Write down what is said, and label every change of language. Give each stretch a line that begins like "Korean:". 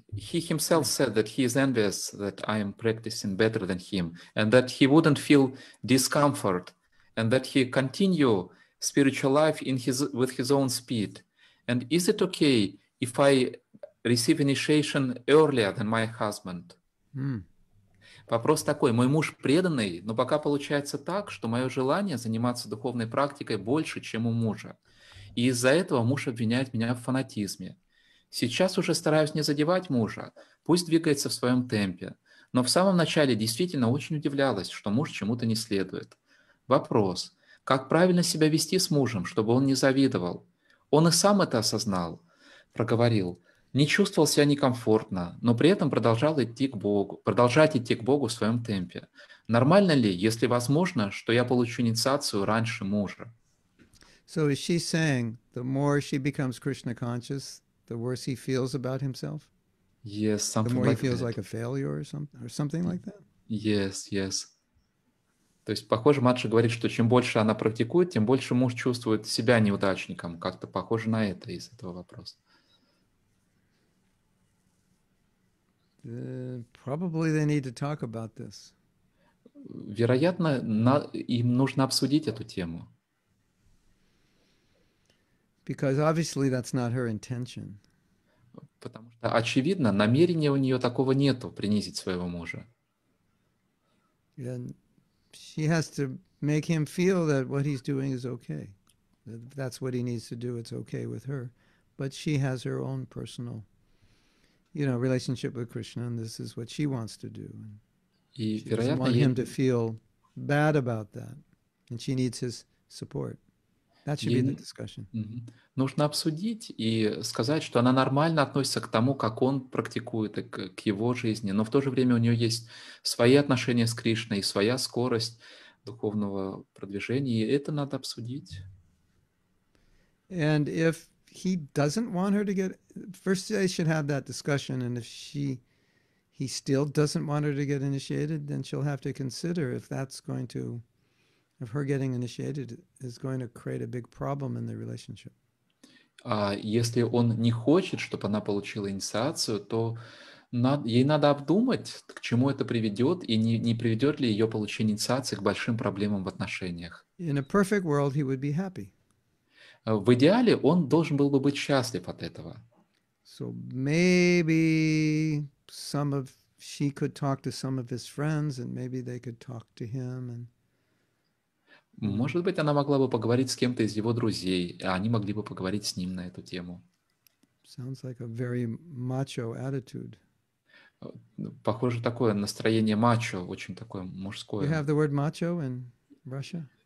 English: He himself said that he is envious that I am practicing better than him, and that he wouldn't feel discomfort, and that he continue spiritual life in his with his own speed? And is it okay if I receive initiation earlier than my husband? Mm.
Russian: Вопрос такой: мой муж преданный, но пока получается так, что мое желание заниматься духовной практикой больше, чем у мужа. И из-за этого муж обвиняет меня в фанатизме. Сейчас уже стараюсь не задевать мужа, пусть двигается в своем темпе. Но в самом начале действительно очень удивлялась, что муж чему-то не следует. Вопрос: как правильно себя вести с мужем, чтобы он не завидовал? Он и сам это осознал, проговорил. Не чувствовал себя некомфортно, но при этом продолжал идти к Богу, продолжать идти к Богу в своем темпе. Нормально ли, если возможно, что я получу инициацию раньше мужа?
English: So is she saying the more she becomes Krishna conscious, the worse he feels about himself? Yes, something the more like he feels that. Like a failure or something like that? Yes, yes.
Russian: То есть, похоже, Матша говорит, что чем больше она практикует, тем больше муж чувствует себя неудачником. Как-то похоже на это из этого вопроса.
English: Probably they need to talk about this.
Russian: Вероятно, им нужно обсудить эту тему.
English: Because obviously that's not her intention.
Russian: Потому что, очевидно, намерения у нее такого нету принизить своего мужа.
English: And she has to make him feel that what he's doing is okay. That's what he needs to do, it's okay with her. But she has her own personal, you know, relationship with Krishna, and this is what she wants to do. And
Russian: и,
English: she doesn't want him to feel bad about that, and she needs his support. That should be the discussion.
Russian: Нужно обсудить и сказать, что она нормально относится к тому, как он практикует, и к его жизни, но в то же время у нее есть свои отношения с Кришной и своя скорость духовного продвижения, и это надо обсудить.
English: And if he doesn't want her to get, first they should have that discussion, and if she, he still doesn't want her to get initiated, then she'll have to consider if that's going to, if her getting initiated is going to create a big problem in the relationship.
Russian: А если он не хочет, чтобы она получила инициацию, то ей надо обдумать, к чему это приведет, и не приведет ли ее получение инициации к большим проблемам в отношениях.
English: In a perfect world, he would be happy.
Russian: В идеале он должен был бы быть счастлив от этого.
English: So maybe some of she could talk to some of his friends, and maybe they could talk to him. And...
Russian: Может быть, она могла бы поговорить с кем-то из его друзей, а они могли бы поговорить с ним на эту тему.
English: Sounds like a very macho attitude.
Russian: Похоже, такое настроение мачо, очень такое мужское.
English: You have the word macho in Russia?